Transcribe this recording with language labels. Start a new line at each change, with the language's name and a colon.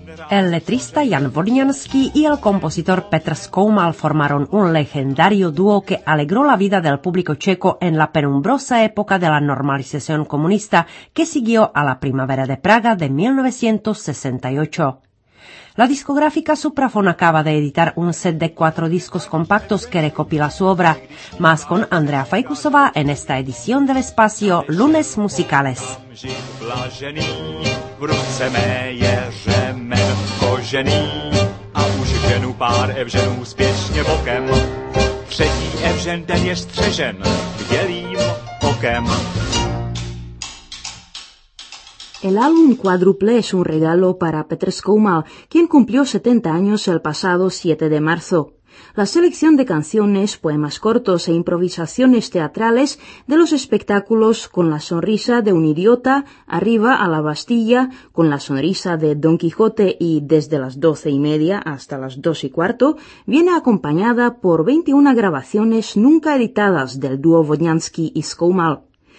Spanish: El letrista Jan Vodňanský y el compositor Petr Skoumal formaron un legendario dúo que alegró la vida del público checo en la penumbrosa época de la normalización comunista que siguió a la primavera de Praga de 1968. La discográfica Supraphon acaba de editar un set de 4 discos compactos que recopila su obra. Más con Andrea Fajkusová en esta edición del espacio Lunes Musicales.
Czech: V ruce mé je řemen kožený a už ženu pár Evženů spěšně bokem. Třetí Evžen ten je střežen bdělým okem.
Spanish: El álbum cuádruple es un regalo para Petr Skoumal, quien cumplió 70 años el pasado 7 de marzo. La selección de canciones, poemas cortos e improvisaciones teatrales de los espectáculos Con la sonrisa de un idiota, Arriba a la Bastilla, Con la sonrisa de Don Quijote y Desde las 12:30 hasta las 2:15, viene acompañada por 21 grabaciones nunca editadas del dúo Vodňanský y Skoumal.